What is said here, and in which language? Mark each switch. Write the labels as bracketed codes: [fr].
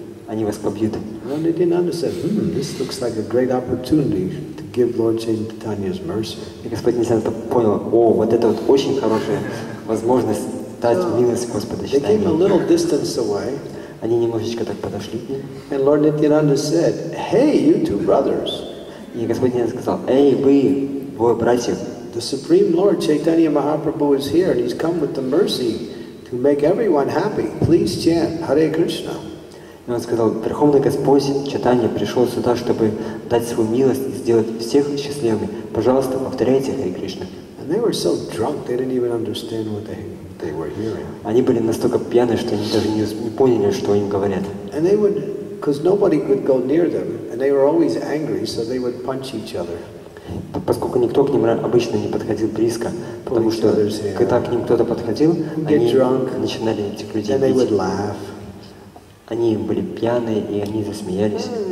[ru] Они вас побьют. [en] And they didn't understand. This looks like a great opportunity to give Lord Chaitanya's mercy. [ru] И Господь Нитянанда понял, о, вот это вот очень хорошая возможность дать милость Господа Чайтанья. [en] They came a little distance away. [ru] Они немножечко так подошли. [en] And Lord Nityananda said, "Hey, you two brothers." [ru] И Господь Нитянанда сказал, эй, вы, двое братьев. [en] The Supreme Lord Chaitanya Mahaprabhu is here, and he's come with the mercy to make everyone happy. Please chant Hare Krishna. [ru] И он сказал, Верховный Господь Чайтанья пришел сюда, чтобы дать свою милость и сделать всех счастливыми. Пожалуйста, повторяйте Хари Кришна. [en] And they were so drunk, they didn't even understand what they were hearing. [ru] Они были настолько пьяны, что они даже не поняли, что им говорят. [en] And they would, because nobody could go near them, and they were always angry, so they would punch each other. [ru] Поскольку никто к ним обычно не подходил близко, потому что когда к ним кто-то подходил, они начинали этих людей бить. Они были пьяны, и они засмеялись.